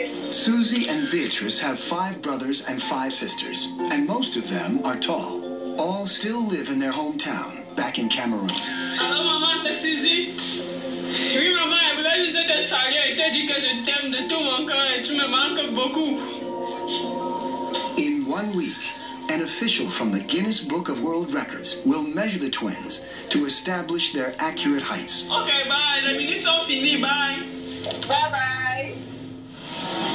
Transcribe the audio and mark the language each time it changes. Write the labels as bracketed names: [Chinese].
[English] Suzy and Beatrice have 5 brothers and 5 sisters, and most of them are tall. All still live in their hometown, back in Cameroon. [French] Hello, maman, c'est Suzy. Oui, maman, je voulais juste te saluer et te dire que je t'aime de tout mon cœur et tu me manques beaucoup. [English] In 1 week, an official from the Guinness Book of World Records will measure the twins to establish their accurate heights. Okay, bye. [French] Les minutes sont finies. Bye. [English] Bye-bye.